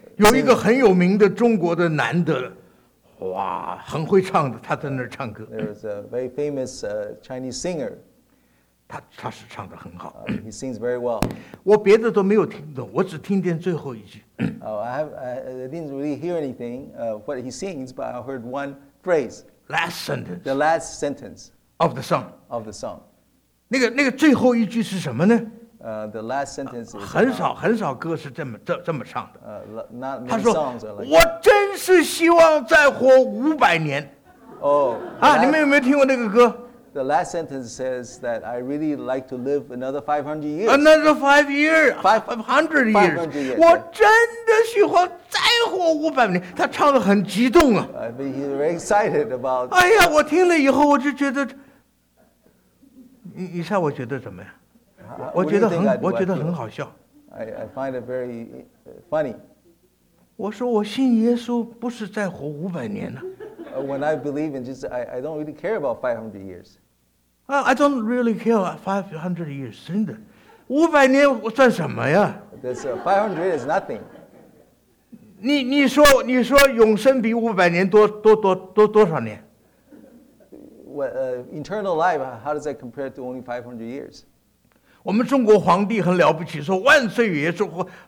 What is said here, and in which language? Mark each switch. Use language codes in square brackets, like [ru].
[zh] 有一个很有名的中国的男的，哇，很会唱的，他在那儿唱歌。 [en] There is a very famous Chinese singer. [zh] 他是唱得很好。 [en] He sings very well. 我别的都没有听懂，我只听见最后一句。 I didn't really hear anything what he sings, but I heard one phrase. Last sentence. The last sentence of the song. Of the song. [zh] 那个最后一句是什么呢？ [en] The last sentence is [zh] 很少很少歌是这么唱的。 [en] Not many [zh] 他说 [en] songs are like [zh] 我真是希望再活500年。 [en] Oh. [zh] 你们有没有听过那个歌？ [en] The last sentence says that I really like to live another 500 years. Another 5 years. 500 years. 500 years. [zh] 我真的喜欢再活500年。他唱得很激动啊。 [en] I mean, he's very excited about. [zh] 哎呀，我听了以后我就觉得，你猜我觉得怎么样？我觉得很好笑。 [en] I find it very funny. [zh] 我说我信耶稣不是再活500年呢。 [en] When I believe in Jesus, I don't really care about 500 years. I don't really care about 500 years. [zh] 真的，500年我算什么呀 [en] ？That's 500 is nothing. [zh] 你说永生比500年多少年 [en] ？Well, eternal life, how does that compare to only 500 years? [zh] 我们中国皇帝很了不起，说万岁爷说过。